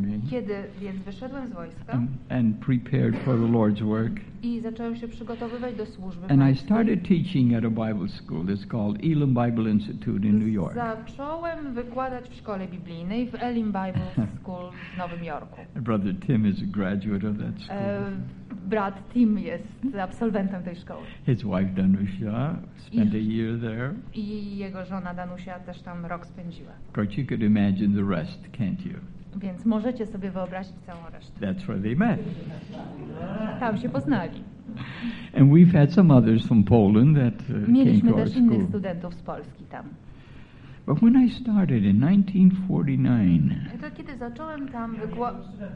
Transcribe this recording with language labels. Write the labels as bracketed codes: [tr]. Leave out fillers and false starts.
[pl] Kiedy więc wyszedłem z wojska [en] and prepared for the Lord's work. [pl] I zacząłem się przygotowywać do służby. [en] And I started teaching at a Bible school. It's called Elim Bible Institute in New York. [pl] Zacząłem wykładać w szkole biblijnej w Elim Bible School w Nowym Jorku. [en] Brother Tim is a graduate of that school. [pl] Brat Tim jest absolwentem tej szkoły. [en] His wife Danusia spent a year there. [pl] I jego żona Danusia też tam rok spędziła. [en] But you could imagine the rest, can't you? [pl] Więc możecie sobie wyobrazić całą resztę. [en] That's where they met. [pl] Tam się poznali. [en] And we've had some others from Poland that [pl] mieliśmy [en] came to our [pl] też innych studentów z Polski tam. [en] But when I started in 1949. [pl] To kiedy zacząłem tam wykładać.